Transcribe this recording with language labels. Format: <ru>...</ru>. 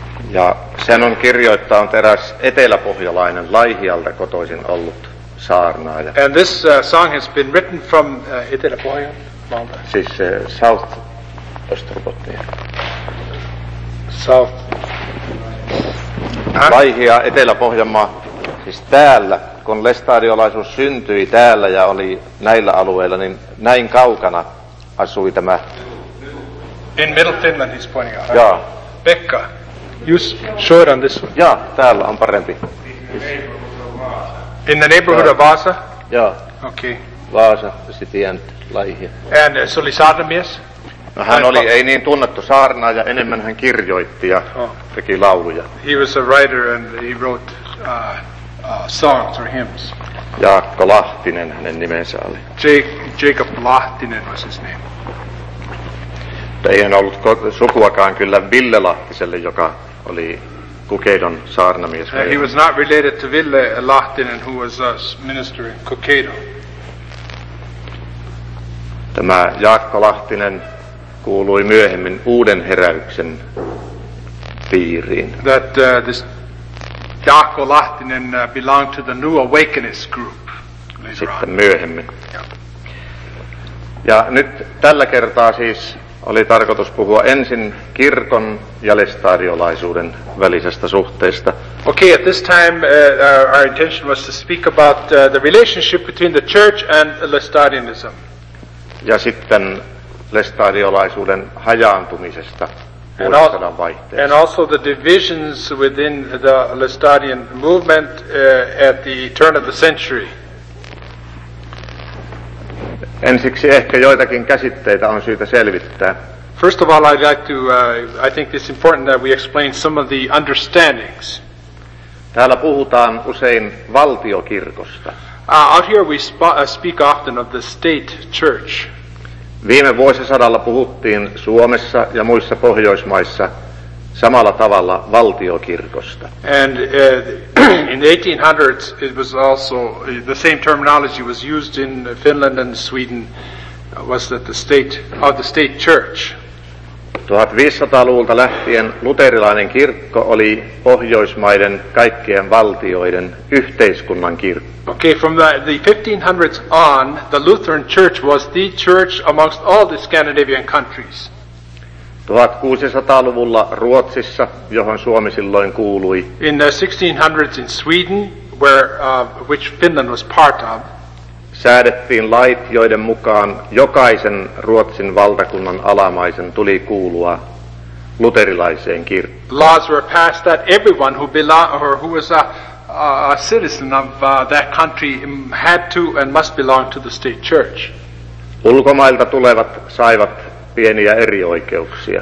<fi>Ja sen on kirjoittanut eräs eteläpohjalainen Laihialta kotoisin ollut saarnaaja.</fi> <en>And this song has been written from Etelä-Pohjanmaalta.</en> <fi>Siis South Österbottia.</fi> <en>South.</en> <fi>Laihia, Etelä-Pohjanmaa. Siis täällä, kun lestadiolaisuus syntyi täällä ja oli näillä alueilla, niin näin kaukana asui tämä.</fi> <en>In Middle Finland he's pointing out.</en> <fi>Jaa.</fi> <en>Pekka. Just show it on this one.</en> <fi>Jaa, täällä on parempi.</fi> <en>In the neighborhood of Vaasa?</en> <fi>Jaa.</fi> <en>Okay. Vaasa, city and Laihia.</en> <fi>And se oli saarnamies? No hän oli, ei niin tunnettu saarnaaja, enemmän hän kirjoitti ja teki lauluja.</fi> <en>He was a writer and he wrote songs or hymns.</en> <fi>Jaakko Lahtinen hänen nimensä oli.</fi> <en>Jacob Lahtinen was his name.</en> <fi>Ei hän ollut sukuakaan kyllä Ville Lahtiselle, joka oli Kokeidon saarnamies.</fi> <en>He was not related to Ville Lahtinen, who was a minister in Kokeido.</en> <fi>Tämä Jaakko Lahtinen kuului myöhemmin Uuden heräyksen piiriin.</fi> <en>That this Jaakko Lahtinen belonged to the New Awakenings group.</en> <fi>Sitten myöhemmin. Ja nyt tällä kertaa siis oli tarkoitus puhua ensin kirkon ja lestadiolaisuuden välisestä suhteesta.</fi> <en>Okay, at this time our intention was to speak about the relationship between the church and lestadianism.</en> <fi>Ja sitten lestadiolaisuuden hajaantumisesta vuosisadan vaihteessa.</fi> <en>And also the divisions within the lestadian movement at the turn of the century.</en> <fi>Ensiksi ehkä joitakin käsitteitä on syytä selvittää.</fi> <en>First of all, I'd like to, I think it's important that we explain some of the understandings.</en> <fi>Täällä puhutaan usein valtiokirkosta.</fi> <en>Out here we speak often of the state church.</en> <fi>Viime vuosisadalla puhuttiin Suomessa ja muissa Pohjoismaissa samalla tavalla valtiokirkosta.</fi> <en>And in the 1800s it was also the same terminology was used in Finland and Sweden was that the state church.</en> <fi>1500-luvulta lähtien luterilainen kirkko oli Pohjoismaiden kaikkien valtioiden yhteiskunnan kirkko.</fi> <en>Okay, from the 1500s on, the Lutheran church was the church amongst all the Scandinavian countries.</en> <fi>1600-luvulla Ruotsissa, johon Suomi silloin kuului.</fi> <en>In the 1600s in Sweden, where which Finland was part of,</en> <fi>säädettiin lait, joiden mukaan jokaisen Ruotsin valtakunnan alamaisen tuli kuulua luterilaiseen kirkkoon.</fi> <en>Laws were passed that everyone who was a citizen of that country had to and must belong to the state church.</en> <fi>Ulkomailta tulevat saivat pieniä erioikeuksia.</fi>